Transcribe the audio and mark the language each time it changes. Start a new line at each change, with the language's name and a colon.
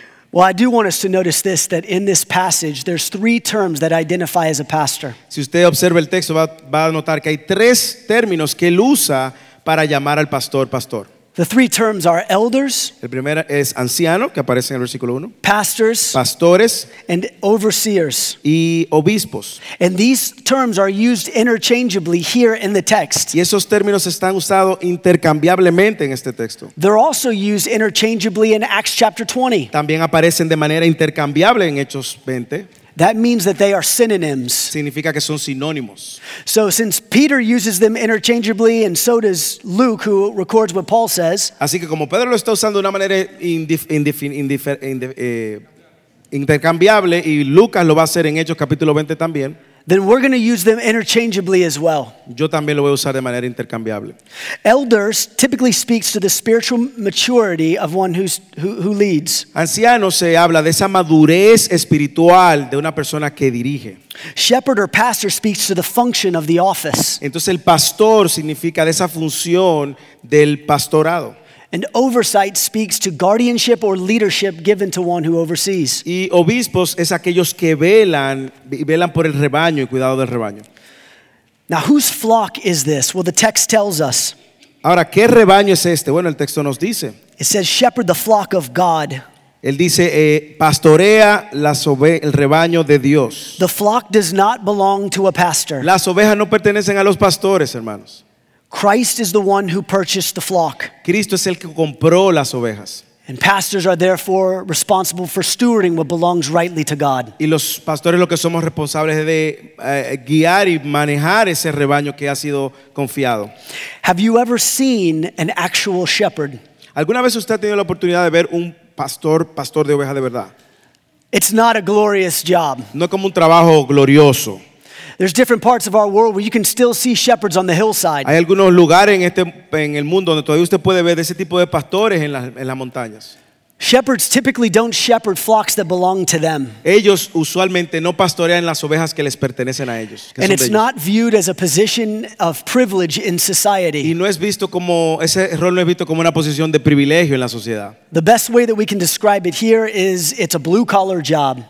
English: Well, I do want us to notice this, that in this passage, there's three terms that identify as a pastor.
Spanish: Si usted observa el texto, va a notar que hay tres términos que él usa para llamar al pastor, pastor.
English: The three terms are elders.
Spanish: El primero es anciano, que aparece en el versículo 1.
English: Pastors.
Spanish: Pastores.
English: And overseers.
Spanish: Y obispos.
English: And these terms are used interchangeably here in the text.
Spanish: Y esos términos están usados intercambiablemente en este texto.
English: They're also used interchangeably in Acts chapter 20.
Spanish: También aparecen de manera intercambiable en Hechos 20.
English: That means that they are synonyms.
Spanish: Significa que son sinónimos.
English: So since Peter uses them interchangeably and so does Luke who records what Paul says.
Spanish: Así que como Pedro lo está usando de una manera intercambiable y Lucas lo va a hacer en Hechos capítulo 20 también.
English: Then we're going to use them interchangeably as well.
Spanish: Yo también lo voy a usar de manera intercambiable.
English: Elders typically speaks to the spiritual maturity of one who leads.
Spanish: Anciano se habla de esa madurez espiritual de una persona que dirige.
English: Shepherd or pastor speaks to the function of the office.
Spanish: Entonces el pastor significa de esa función del pastorado.
English: And oversight speaks to guardianship or leadership given to one who oversees.
Spanish: Y obispos es aquellos que velan, velan por el rebaño y cuidado del rebaño.
English: Now, whose flock is this? Well, the text tells us.
Spanish: Ahora, ¿qué rebaño es este? Bueno, el texto nos dice.
English: It says, shepherd the flock of God.
Spanish: Él dice, pastorea el rebaño de Dios.
English: The flock does not belong to a pastor.
Spanish: Las ovejas no pertenecen a los pastores, hermanos.
English: Christ is the one who purchased the flock.
Spanish: Cristo es el que compró las ovejas.
English: And pastors are therefore responsible for stewarding what belongs rightly to God.
Spanish: Y los pastores lo que somos responsables es de guiar y manejar ese rebaño que ha sido confiado.
English: Have you ever seen an actual shepherd?
Spanish: ¿Alguna vez usted ha tenido la oportunidad de ver un pastor de ovejas de verdad?
English: It's not a glorious job.
Spanish: No como un trabajo glorioso.
English: There's different parts of our world where you can still see shepherds on the hillside.
Spanish: Hay algunos lugares en el mundo donde todavía usted puede ver ese tipo de pastores en las montañas.
English: Shepherds typically don't shepherd flocks that belong to them.
Spanish: Ellos usualmente no pastorean las ovejas que les pertenecen a ellos.
English: And it's not viewed as a position of privilege in society.
Spanish: Y no es visto como ese rol no es visto como una posición de privilegio en la sociedad.
English: The best way that we can describe it here is it's a blue collar job.